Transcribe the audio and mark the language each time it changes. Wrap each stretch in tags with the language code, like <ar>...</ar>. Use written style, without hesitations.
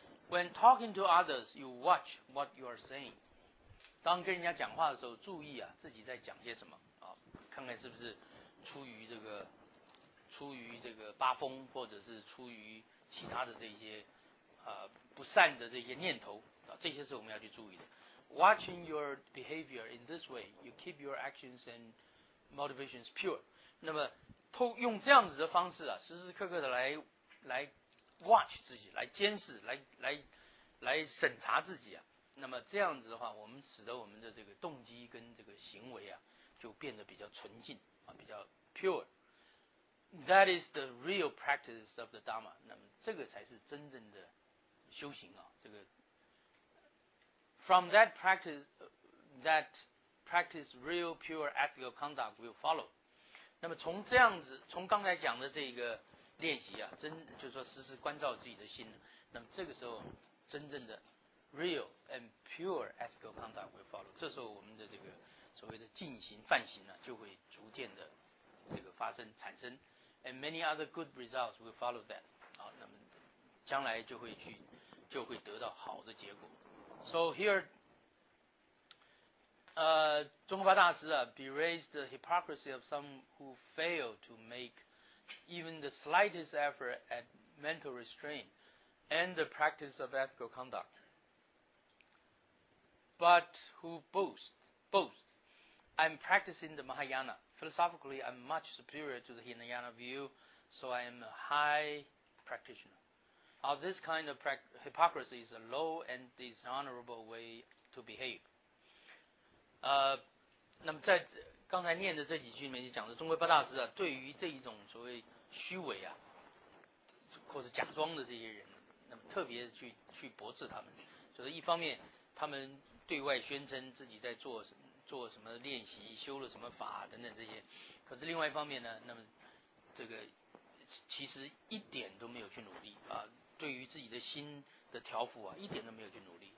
<en>When talking to others, you watch what you are saying。</en> <zh>当跟人家讲话的时候，注意啊自己在讲些什么。看看是不是出于这个八风，或者是出于其他的这些不善的这些念头啊，这些是我们要去注意的。</zh> <en>Watching your behavior in this way, you keep your actions and motivations pure.</en> <zh>那么用这样子的方式啊，时时刻刻的来 watch 自己，来监视，来审查自己啊。那么这样子的话，我们使得我们的这个动机跟这个行为啊，就变得比较纯净啊，比较 pure。</zh> <en>That is the real practice of the Dharma。</en> <zh>那么这个才是真正的修行啊。这个</zh> <en>from that practice, real pure ethical conduct will follow。</en> <zh>那么从这样子，从刚才讲的这个练习啊，真就是说时时关照自己的心，那么这个时候真正的</zh> <en>real and pure ethical conduct will follow。</en> <zh>这时候我们的这个所谓的进行犯行呢，就会逐渐的这个发生产生 ，</zh> <en>and many other good results will follow that。</en> <zh>好，那么将来就会得到好的结果。</zh> <en>So here，</en> <zh>中国法大师啊</zh> <en>，berates the hypocrisy of some who fail to make even the slightest effort at mental restraint and the practice of ethical conduct， but who boast。 I'm practicing the Mahayana. Philosophically, I'm much superior to the Hinayana view, so I am a high practitioner. This kind of hypocrisy is a low and dishonorable way to behave.</en> <zh>那么在刚才念的这几句里面就讲的中国八大师啊，对于这一种所谓虚伪啊，或是假装的这些人，那么特别去驳斥他们，就是一方面他们对外宣称自己在做什么练习，修了什么法等等这些，可是另外一方面呢，那么这个其实一点都没有去努力啊，对于自己的心的调伏啊，一点都没有去努力。</zh>